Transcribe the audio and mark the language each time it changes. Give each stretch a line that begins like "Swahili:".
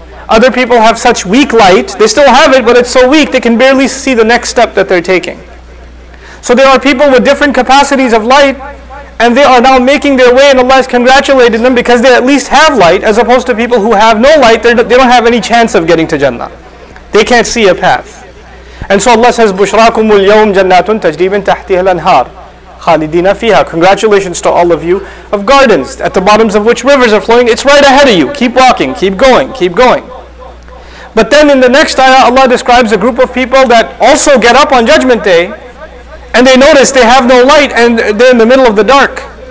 English: Other people have such weak light, they still have it, but it's so weak they can barely see the next step that they're taking. So there are people with different capacities of light, and they are now making their way, and Allah has congratulated them because they at least have light, as opposed to people who have no light, they don't have any chance of getting to Jannah. They can't see a path. And so Allah says,
Arabic: بُشْرَاكُمُ الْيَوْمُ جَنَّاتٌ تَجْرِيبٍ تَحْتِهَا الْأَنْهَارِ خَالِدِينَ فِيهَا.
English: Congratulations to all of you of gardens at the bottoms of which rivers are flowing. It's right ahead of you. Keep walking, keep going, keep going. But then in the next ayah, Allah describes a group of people that also get up on Judgment Day, and they notice they have no light and they're in the middle of the dark.